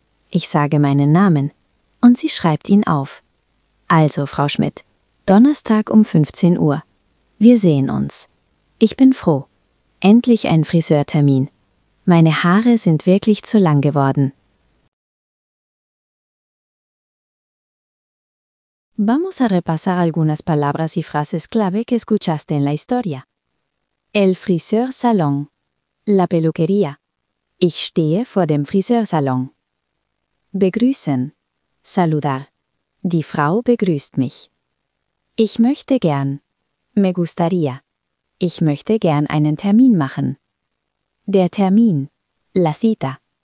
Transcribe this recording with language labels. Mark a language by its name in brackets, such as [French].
[German] Ich sage meinen Namen. Und sie schreibt ihn auf. Also, Frau Schmidt, Donnerstag um 15 Uhr. Wir sehen uns. Ich bin froh. Endlich ein Friseurtermin. Meine Haare sind wirklich zu lang geworden. [Spanish] Vamos a repasar algunas palabras y frases clave que escuchaste en la historia. El Friseursalon. La peluquería. [German] Ich stehe vor dem Friseursalon. Begrüßen. Saludar. Die Frau begrüßt mich. Ich möchte gern. [Spanish] Me gustaría. [German] Ich möchte gern einen Termin machen. Der Termin. [Spanish] La cita.